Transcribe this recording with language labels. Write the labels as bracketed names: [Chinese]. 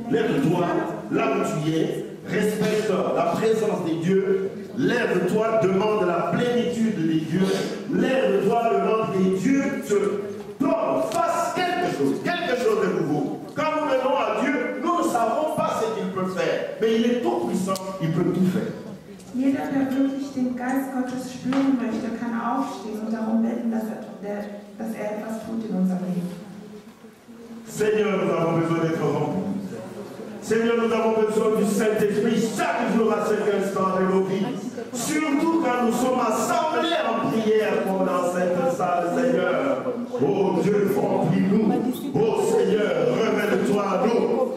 [French] Lève-toi là où tu es, respecte la présence des dieux. Lève-toi, demande la plénitude des dieux. Lève-toi, demande des dieux te donne, fasse quelque chose de nouveau. Quand nous venons à Dieu, nous ne savons pas ce qu'il peut faire. Mais il est tout puissant, il peut tout faire. [German] Jeder, der wirklich den Geist Gottes spüren möchte, kann aufstehen und darum bitten, dass er etwas tut in unserem Leben. [French] Seigneur, nous avons besoin d'être remplis. Seigneur, nous avons besoin du Saint-Esprit chaque jour à cet instant de nos vies. Surtout quand nous sommes assemblés en prière comme dans cette salle, Seigneur. Oh Dieu, remplis-nous. Oh Seigneur, révèle-toi à nous.